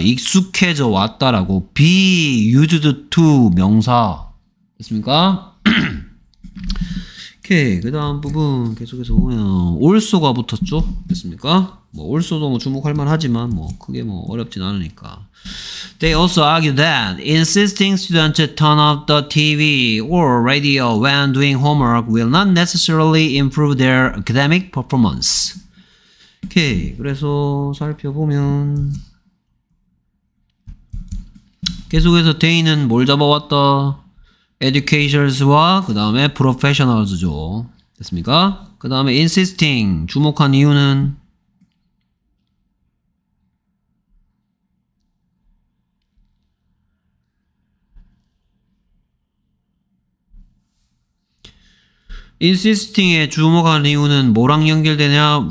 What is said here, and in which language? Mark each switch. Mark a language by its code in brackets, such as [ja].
[ko] 익숙해져 왔다라고. Be used to 명사. 됐습니까? 오케이, 그 다음 부분 계속해서 보면 올소가 붙었죠? 됐습니까? 뭐 올소도 뭐 주목할 만하지만 뭐 크게 뭐 어렵진 않으니까. [en] They also argue that insisting students turn off the TV or radio when doing homework will not necessarily improve their academic performance. [ko] 오케이, 그래서 살펴보면 계속해서 데이는 뭘 잡아왔다? educators와 그 다음에 professionals죠. 됐습니까? 그 다음에 insisting 주목한 이유는 insisting에 주목한 이유는 뭐랑 연결되냐?